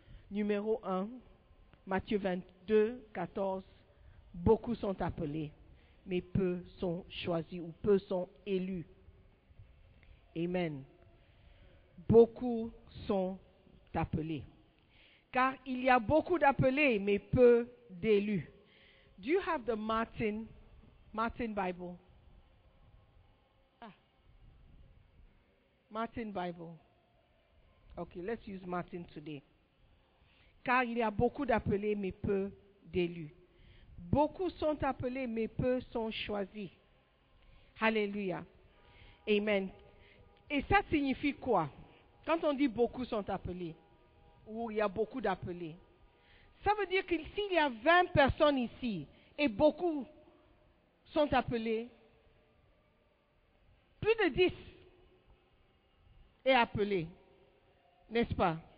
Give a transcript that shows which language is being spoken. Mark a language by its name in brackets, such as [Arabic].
[French] Numéro 1, Matthieu 22, 14. Beaucoup sont appelés, mais peu sont choisis ou peu sont élus. Amen. Beaucoup sont appelés. Car il y a beaucoup d'appelés, mais peu d'élus. [English] Do you have the Martin Bible? Martin Bible. Okay, let's use Martin today. [French] Car il y a beaucoup d'appelés, mais peu d'élus. Beaucoup sont appelés, mais peu sont choisis. Alléluia. Amen. Et ça signifie quoi? Quand on dit beaucoup sont appelés, ou il y a beaucoup d'appelés, ça veut dire que s'il y a 20 personnes ici, et beaucoup sont appelés, plus de 10 est appelé, n'est-ce pas?